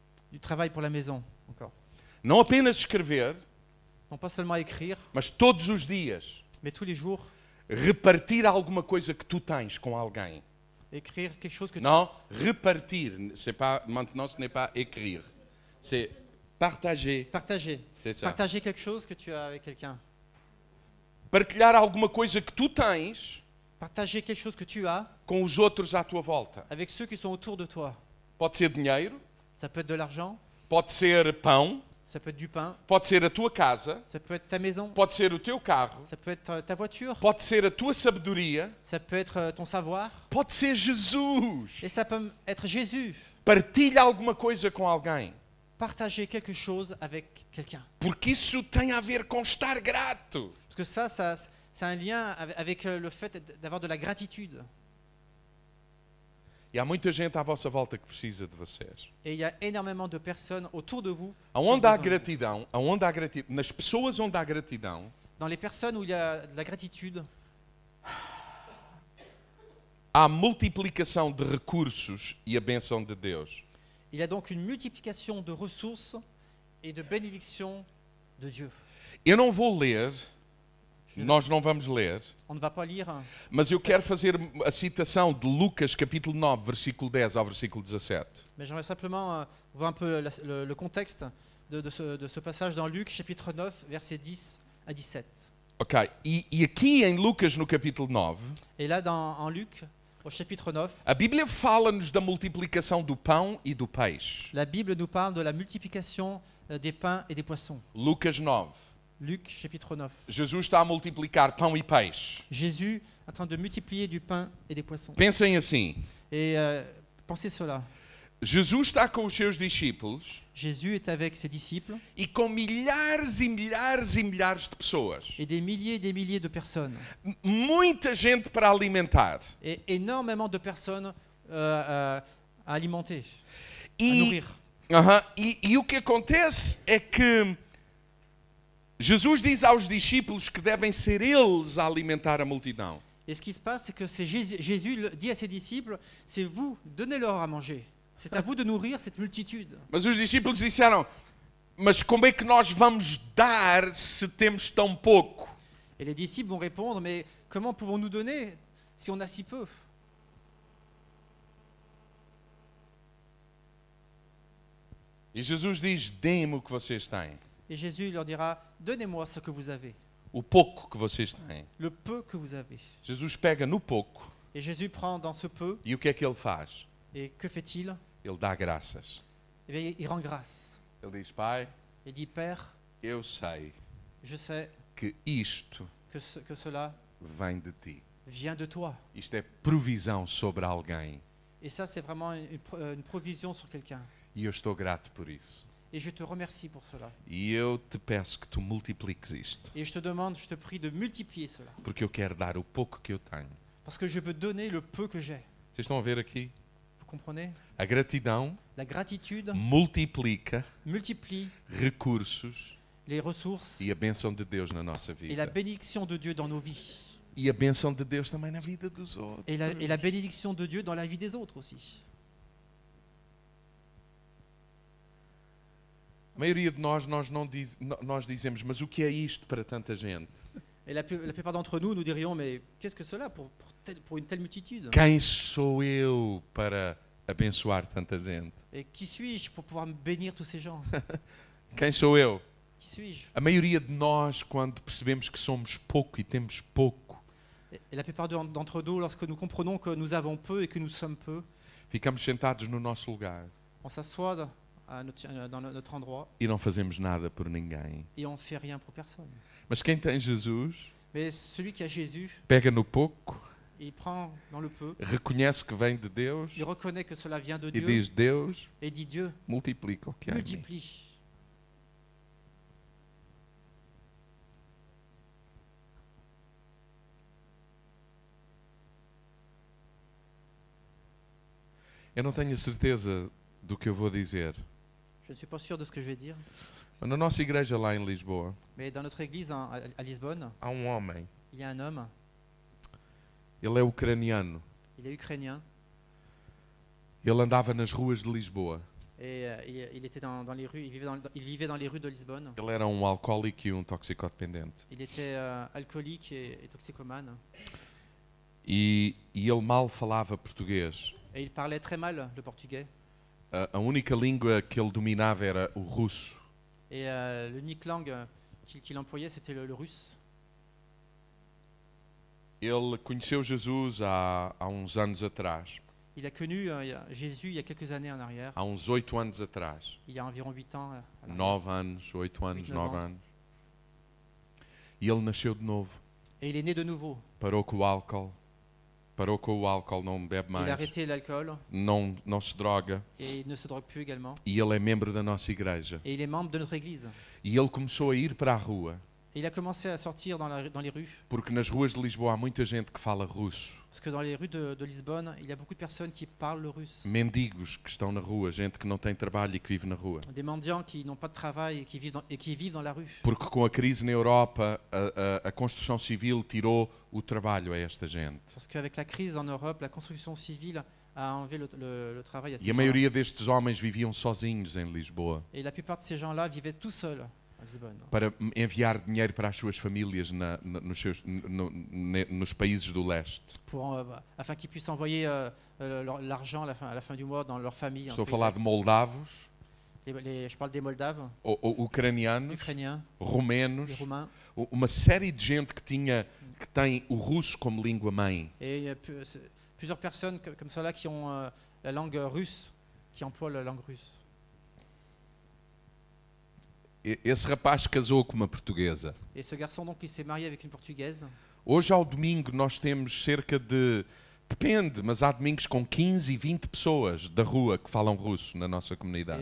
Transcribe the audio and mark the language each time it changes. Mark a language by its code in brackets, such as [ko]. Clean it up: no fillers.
[fr] Du travail pour la maison encore. [pt] Não apenas escrever, [fr] non pas seulement écrire, [pt] mas todos os dias. [fr] Mais tous les jours. [pt] Repartir alguma coisa que tu tens com alguém. [fr] Écrire quelque chose que non, tu... repartir, c'est pas maintenant, ce n'est pas écrire. C'est partager. Partager. C'est ça. Partager quelque chose que tu as avec quelqu'un. [pt] Partilhar alguma coisa que tu tens. [fr] Partager quelque chose que tu as. [pt] Com os outros à tua volta. [fr] Avec ceux qui sont autour de toi. [pt] Pode ser dinheiro. [fr] Ça peut être de l'argent. [pt] Pode ser pão. [fr] Ça peut être du pain. [pt] Pode ser a tua casa. [fr] Ça peut être ta maison. [pt] Pode ser o teu carro. [fr] Ça peut être ta voiture. [pt] Pode ser a tua sabedoria. [fr] Ça peut être ton savoir. [pt] Pode ser Jesus. [fr] Et ça peut être Jésus. [pt] Partilha alguma coisa com alguém. [fr] Partager quelque chose avec quelqu'un. [pt] Porque isso tem a ver com estar grato. [fr] Parce que ça c'est un lien avec le fait d'avoir de la gratitude. [pt] E há muita gente à vossa volta que precisa de vocês. [fr] Et il y a énormément de personnes autour de vous. [pt] Aonde há gratidão? Aonde há gratidão? Nas pessoas onde há gratidão? [fr] Dans les personnes où il y a de la gratitude. [pt] Há multiplicação de recursos e a bênção de Deus. [fr] Il y a donc une multiplication de ressources et de bénédiction de Dieu. [pt] Eu não vou ler. Nós não vamos ler. [fr] On ne va pas lire. [pt] Mas eu quero fazer a citação de Lucas capítulo 9, versículo 10 ao versículo 17. [fr] Mais j'aimerais simplement voir un peu le contexte de ce passage dans Luc chapitre 9, verset 10 à 17. OK. [pt] E aqui em Lucas no capítulo 9. [fr] Et là en Luc au chapitre 9. [pt] A Bíblia fala-nos da multiplicação do pão e do peixe. [fr] La Bible nous parle de la multiplication des pains et des poissons. [pt] Lucas 9. [fr] Luc chapitre 9. [pt] Jesus está a multiplicar pão e peixe. [fr] Jésus en train de multiplier du pain et des poissons. [pt] Pensem assim. [fr] Pensez cela. [pt] Jesus está com os seus discípulos. [fr] Jésus est avec ses disciples. [pt] E com milhares e milhares e milhares de pessoas. [fr] Et des milliers et des milliers de personnes. [pt] Muita gente para alimentar. [fr] Et énormément de personnes à alimenter. [pt] E, [fr] à nourrir. [pt] E o que acontece é que Jesus diz aos discípulos que devem ser eles a alimentar a multidão. E o que se passa é que Jesus diz a seus discípulos: [fr] c'est vous, donnez-leur à manger. C'est à vous de nourrir cette multitude. [pt] Mas os discípulos disseram: mas como é que nós vamos dar se temos tão pouco? E os discípulos vão responder: mas como podemos nos dar se [fr] on a si peu? [pt] E Jesus diz: deem-me o que vocês têm. [fr] Et Jésus leur dira, donnez-moi ce que vous avez. [pt] O pouco que vocês têm. [fr] Le peu que vous avez. [pt] Jesus pega no pouco. [fr] Et Jésus prend dans ce peu. [pt] E o que é que ele faz? [fr] Et que fait-il? [pt] Ele dá graças. [fr] Et bien, il rend grâce. [pt] Ele diz, Pai. [fr] Il dit, Père. [pt] Eu sei. [fr] Je sais. [pt] Que isto. [fr] Que cela. [pt] Vem de ti. [fr] Vient de toi. [pt] Isto é provisão sobre alguém. [fr] Et ça, c'est vraiment une provision sur quelqu'un. [pt] E eu estou grato por isso. [fr] Et je te remercie pour cela. [pt] E eu te peço que tu multipliques isto. [fr] Et je te demande, je te prie de multiplier cela. [pt] Porque eu quero dar o pouco que eu tenho. [fr] Parce que je veux donner le peu que j'ai. [pt] Vocês estão a ver aqui? [fr] Vous comprenez? [pt] A gratidão, [fr] la gratitude, [pt] multiplica, [fr] multiplie, [pt] recursos, [fr] les ressources, [pt] e a bênção de Deus na nossa vida. [fr] Et la bénédiction de Dieu dans nos vies. [pt] E a bênção de Deus também na vida dos outros. [fr] Et la bénédiction de Dieu dans la vie des autres aussi. [pt] A maioria de nós, nós dizemos, mas o que é isto para tanta gente? [fr] Et la plupart d'entre nous, nous dirions, mais qu'est-ce que cela pour une telle multitude? [pt] Quem sou eu para abençoar tanta gente? [fr] Et qui suis-je pour pouvoir bénir tous ces gens? [pt] Quem sou eu? [fr] Qui suis-je? [pt] A maioria de nós, quando percebemos que somos pouco e temos pouco, [fr] et la plupart d'entre nous, lorsque nous comprenons que nous avons peu et que nous sommes peu, [pt] ficamos sentados no nosso lugar. [fr] On s'assoit dans notre endroit. [pt] E não fazemos nada por ninguém. [fr] Et on ne fait rien pour personne. [pt] Mas quem tem Jesus, [fr] mais celui qui a Jésus, [pt] pega no pouco, [fr] il prend dans le peu, [pt] reconhece que vem de Deus, [fr] il reconnaît que cela vient de et Dieu, [pt] diz Deus, [fr] et dit Dieu, [pt] multiplique o que há em mim. Eu não tenho certeza do que eu vou dizer. [fr] Je ne suis pas sûr de ce que je vais dire. [pt] Na nossa igreja lá em Lisboa. [fr] Mais dans notre église à Lisbonne. [pt] Há um homem. [fr] Il y a un homme. [pt] Ele é ucraniano. [fr] Il est ukrainien. [pt] Ele andava nas ruas de Lisboa. [fr] Et il était dans les rues, il vivait dans les rues de Lisbonne. [pt] Ele era um alcoólico e um toxicodependente. [fr] Il était alcoolique et toxicomane. [pt] E ele mal falava português. [fr] Et il parlait très mal le portugais. [pt] A única língua que ele dominava era o russo. E a única língua que ele [fr] employait c'était le russe. [pt] Ele conheceu Jesus há uns anos atrás. [fr] Il a connu Jésus il y a quelques années en arrière. [pt] Há uns 8 anos atrás. [fr] Il y a environ 8 ans. [pt] 9 anos, 8 anos, 9 anos. E ele nasceu de novo. [fr] Et il est né de nouveau. [pt] Parou com o álcool. Parou com o álcool, não bebe mais. [fr] Il a arrêté l'alcool. [pt] Não se droga. [fr] Et il ne se drogue plus également. [pt] E ele é membro da nossa igreja. [fr] Et il est membre de notre église. [pt] E ele começou a ir para a rua. [fr] Et il a commencé à sortir dans les rues. [pt] Porque nas ruas de Lisboa há muita gente que fala russo. [fr] Parce que dans les rues de Lisbonne, il y a beaucoup de personnes qui parlent le russe. [pt] Mendigos que estão na rua, gente que não tem trabalho e que vive na rua. [fr] Des mendiants qui n'ont pas de travail et qui vivent dans la rue. [pt] Porque com a crise na Europa, a construção civil tirou o trabalho a esta gente. [fr] Parce que avec la crise en Europe, la construction civile a enlevé le travail à ces [pt] gens. E a maioria destes homens viviam sozinhos em Lisboa. [fr] Et la plupart de ces gens-là vivaient tout seuls. [pt] Para enviar dinheiro para as suas famílias nos países do leste. [fr] Afin qu'ils puissent envoyer l'argent à la fin du mois dans leur famille. [pt] Estou a falar de moldavos. [fr] Je parle des moldaves. [pt] Ucranianos. Ucranianos. Romenos. [fr] Romains. [pt] Uma série de gente que tem o russo como língua mãe. [fr] E plusieurs personnes comme cela qui ont la langue russe, qui emploient la langue russe. [pt] Esse rapaz casou com uma portuguesa. Esse [fr] garçon, donc, il s'est marié avec une portugaise. [pt] Hoje ao domingo nós temos cerca de, depende, mas há domingos com 15 e 20 pessoas da rua que falam russo na nossa comunidade.